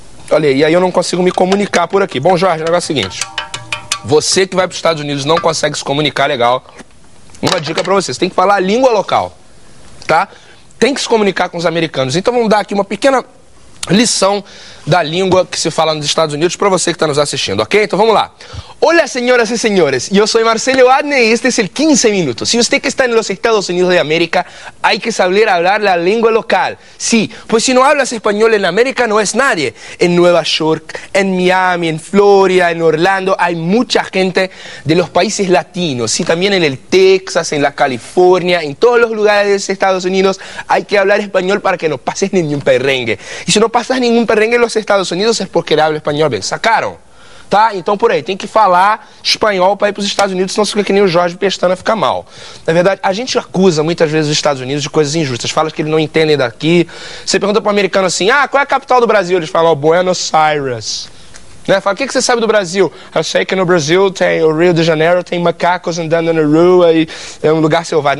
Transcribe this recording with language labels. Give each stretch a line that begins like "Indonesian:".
Portuguese: Olha, e aí eu não consigo me comunicar por aqui. Bom, Jorge, o negócio é o seguinte. Você que vai para os Estados Unidos não consegue se comunicar legal, uma dica para você, você tem que falar a língua local, tá? Tem que se comunicar com os americanos. Então vamos dar aqui uma pequena... lição da língua que se fala nos Estados Unidos para você que está nos assistindo, ok? Então vamos lá. Olá, senhoras e senhores. Eu sou Marcelo Adne e este é o 15 Minutos. Se você que está nos Estados Unidos de América,
Spanish: hay que saber hablar la lengua local. Sí, pues si no hablas español en América, no es nadie. En Nueva York, en Miami, en Florida, en Orlando, hay mucha gente de los países latinos. Sí, también en el Texas, en la California, en todos los lugares de Estados Unidos, hay que hablar español para que no pases ningún perrengue. Y si no pasas ningún perrengue en los Estados Unidos, es porque hablas español bien. ¿Sacaron? Tá?
Portuguese: Então, por aí, tem que falar espanhol para ir para os Estados Unidos, senão fica que nem o Jorge Pestana, fica mal. Na verdade, a gente acusa muitas vezes os Estados Unidos de coisas injustas, fala que eles não entendem daqui. Você pergunta para o americano assim, ah, qual é a capital do Brasil? Eles falam, oh, Buenos Aires. Né? Fala, o que você sabe do Brasil? Eu sei que no Brasil tem o Rio de Janeiro, tem macacos andando na rua e é um lugar selvagem.